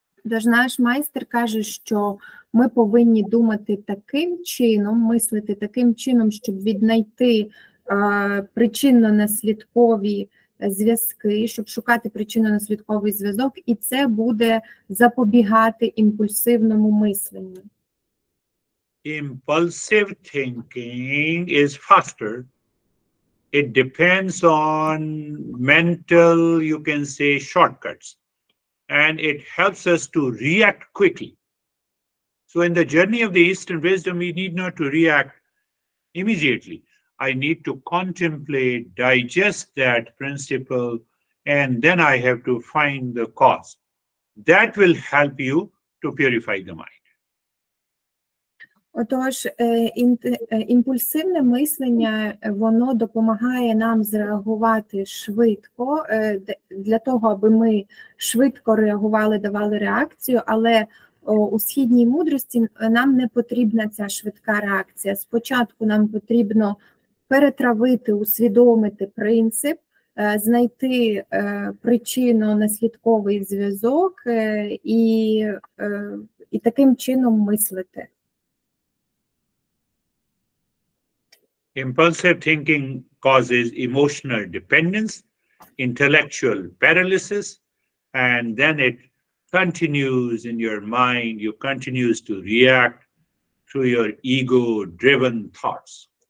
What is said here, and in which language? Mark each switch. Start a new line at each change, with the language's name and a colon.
Ukrainian: Тож наш майстер каже, що ми повинні думати таким чином, мислити таким чином, щоб віднайти причинно-наслідкові зв'язки, щоб шукати причинно-наслідковий зв'язок, і це буде запобігати імпульсивному мисленню.
English: Impulsive thinking is faster. It depends on mental, you can say, shortcuts. And it helps us to react quickly. So in the journey of the Eastern wisdom, we need not to react immediately. I need to contemplate, digest that principle, and then I have to find the cause. That will help you to purify the mind.
Ukrainian: Отож, імпульсивне мислення, воно допомагає нам зреагувати швидко, для того, аби ми швидко реагували, давали реакцію, але у східній мудрості нам не потрібна ця швидка реакція. Спочатку нам потрібно перетравити, усвідомити принцип, знайти причинно-наслідковий зв'язок і таким чином мислити.
English: Impulsive thinking causes emotional dependence, intellectual paralysis, and then it continues in your mind. You continue to react through your ego-driven thoughts.